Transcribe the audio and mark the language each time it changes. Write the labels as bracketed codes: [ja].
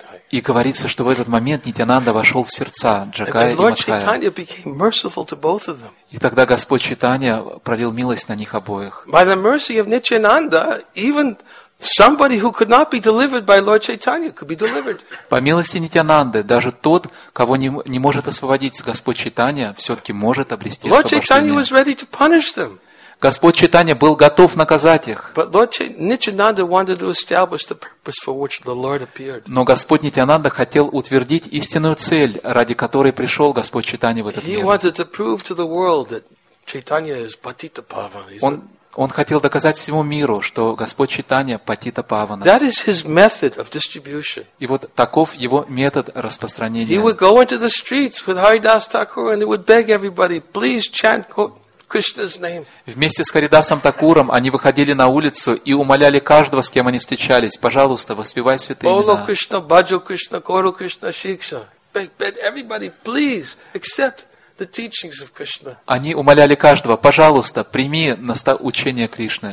[ru] И говорится, что в этот момент Нитянанда вошел в сердца Джагая и Мадхая. И тогда Господь Чайтанья пролил милость на них обоих. [en] By the mercy of Nityananda, even somebody who could not be delivered by Lord Chaitanya could be delivered. [ru] По милости Нитянанды, даже тот, кого не может освободить Господь Чайтанья, все-таки может обрести [en] Lord [ru] освобождение. [en] Lord Chaitanya was ready to punish them. [ru] Господь Чайтанья был готов наказать их. [en] But Lord Nityananda wanted to establish the purpose for which the Lord appeared. [ru] Но Господь Нитянанда хотел утвердить истинную цель, ради которой пришел Господь Чайтанья в этот мир. [en] He wanted to prove to the world that Chaitanya is Patita Pavana. [ru] Он хотел доказать всему миру, что Господь Чайтанья Патита Павана. [en] That is his method of distribution. [ru] И вот таков его метод распространения. [en] He would go into the streets with Haridas Thakur and he would beg everybody, please chant Krishna's name. [ru] Вместе с Харидасом Такуром они выходили на улицу и умоляли каждого, с кем они встречались, пожалуйста, воспевай святые имена. [bn] Боло Кришна, Баджо Кришна, Коро Кришна, Шикша. [en] Everybody, please accept the teachings of Krishna. [ru] Они умоляли каждого, пожалуйста, прими учение Кришны.